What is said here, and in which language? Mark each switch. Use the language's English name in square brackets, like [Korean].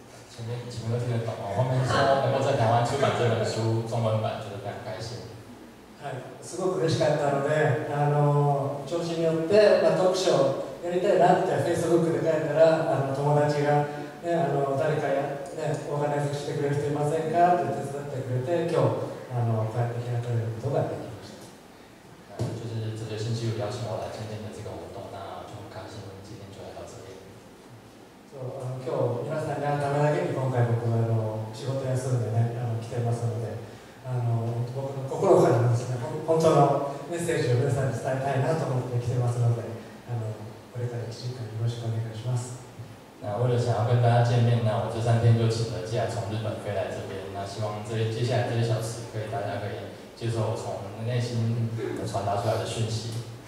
[Chinese] 前面都听得懂哦，后面说能够在台湾出版这本书中文版，觉得非常开心。 [Japanese] 是，すごく嬉しかったので、調子によって、読書やりたいなってFacebookで書いたら、友達が、ね、誰かや、ね、お話ししてくれる人いませんかって手伝ってくれて、今日、帰ってきなくなることができました。 [Chinese] 就是哲学星期五邀请我来参加的这个活动，那就很开心，今天就来到这里。 [Japanese] 今日皆さんに会うためだけに今回僕は仕事休んでね来てますので僕の心からのですね本当のメッセージを皆さんに伝えたいなと思って来てますのでこれから1週間よろしくお願いします。 [Chinese] 那为了想要跟大家见面，那我这三天就请了假从日本飞来这边。那希望这接下来这些小时可以大家可以接受我从内心传达出来的讯息。